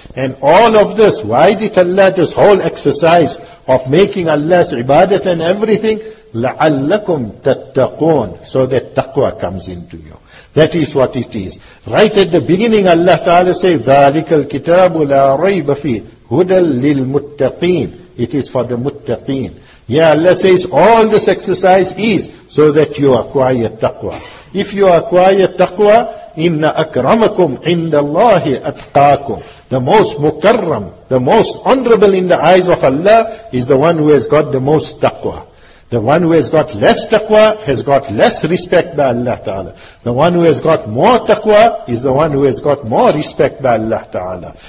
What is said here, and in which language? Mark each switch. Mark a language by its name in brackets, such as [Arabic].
[English] And all of this, why did Allah, this whole exercise of making Allah's ibadat and everything, la'allakum tattaqoon, so that taqwa comes into you. That is what it is. Right at the beginning, Allah Ta'ala says, [Arabic] ذَٰلِكَ الْكِتَابُ لَا رَيْبَ فِيهِ هُدًى لِلْمُتَّقِينَ. [English] It is for the muttaqeen. Yeah, Allah says, all this exercise is so that you acquire taqwa. If you acquire taqwa, [Arabic] إِنَّ أَكْرَمَكُمْ عِنْدَ اللَّهِ أَتْقَاكُمْ. [English] The most mukarram, the most honorable in the eyes of Allah is the one who has got the most taqwa. The one who has got less taqwa has got less respect by Allah Ta'ala. The one who has got more taqwa is the one who has got more respect by Allah Ta'ala.